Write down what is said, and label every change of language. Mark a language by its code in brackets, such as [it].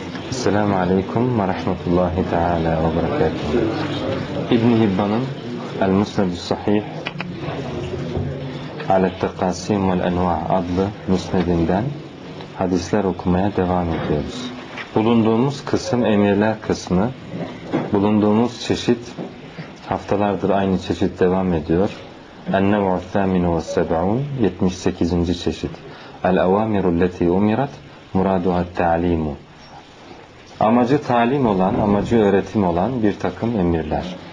[ar] السلام عليكم ورحمة الله تعالى وبركاته. ابن هبان المسند الصحيح على التقاسيم والأنواع أضل مسندندن حديثler [tr] okumaya devam ediyoruz. Bulunduğumuz kısım emirler kısmı, bulunduğumuz çeşit haftalardır aynı çeşit devam ediyor. [ar] النوع الثامن والسبعون 78. çeşit. الأوامر التي أمرت مرادها التعليم. [tr] Amacı talim olan, amacı öğretim olan bir takım emirler.